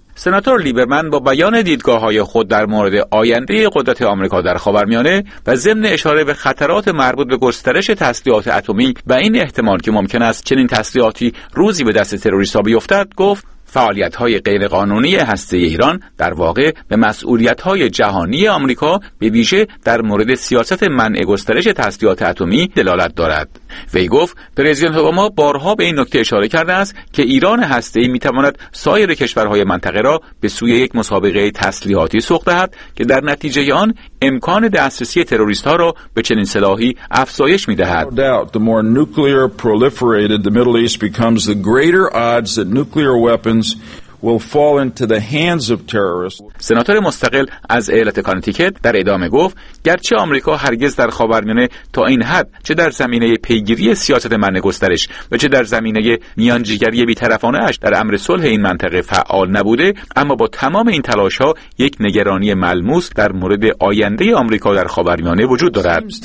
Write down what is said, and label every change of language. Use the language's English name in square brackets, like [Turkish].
[Persian] سناتور لیبرمن با بیان دیدگاه‌های خود در مورد آینده قدرت آمریکا در خاورمیانه و ضمن اشاره به خطرات مربوط به گسترش تسلیحات اتمی و این احتمال که ممکن است چنین تسلیحاتی روزی به دست تروریست‌ها بیفتد، گفت فعالیت‌های غیرقانونی هسته‌ای ایران در واقع به مسئولیت‌های جهانی آمریکا به ویژه در مورد سیاست منع گسترش تسلیحات اتمی دلالت دارد. وی گفت پرزیدنت اوباما بارها به این نکته اشاره کرده است که ایران هسته‌ای می‌تواند سایر کشورهای منطقه را به سوی یک مسابقه تسلیحاتی سوق دهد که در نتیجه آن امکان دسترسی تروریست‌ها را به چنین سلاحی افزایش می‌دهد. [English] The more nuclear proliferated the Middle East becomes the greater odds that nuclear weapons will fall into the hands of terrorists. [Persian] سناتور مستقل از ایالت کانتیکت در ادامه گفت گرچه آمریکا هرگز در خاورمیانه تا این حد چه در زمینه پیگیری سیاست منع گسترش و چه در زمینه میانجیگری بی‌طرفانه اش در امر صلح این منطقه فعال نبوده، اما با تمام این تلاش‌ها یک نگرانی ملموس در مورد آینده آمریکا در خاورمیانه وجود دارد.